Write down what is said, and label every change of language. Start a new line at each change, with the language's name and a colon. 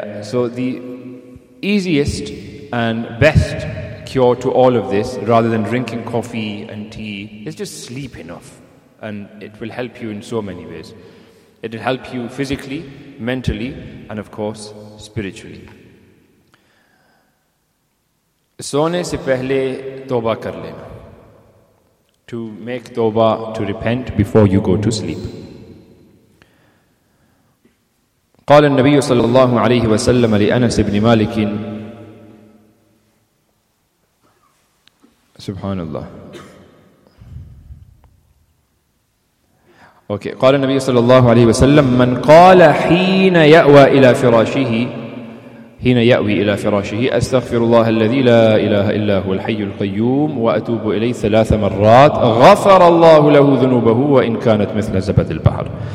English: So the easiest and best cure to all of this, rather than drinking coffee and tea, is just sleep enough, and it will help you in so many ways. It will help you physically, mentally, and of course spiritually.
Urdu: سونے سے پہلے توبہ کر لینا,
English: To make توبہ, to repent before you go to sleep.
Arabic: قال النبی صلی اللہ علیہ وسلم لأنس بن مالک, سبحان اللہ, اوکے, قال النبی صلی اللہ علیہ وسلم من قال حین یأوی الی فراشہ حين يأوي إلى فراشه أستغفر الله الذي لا إله إلا هو الحي القيوم وأتوب إليه ثلاث مرات غفر الله له ذنوبه وإن كانت مثل زبد البحر.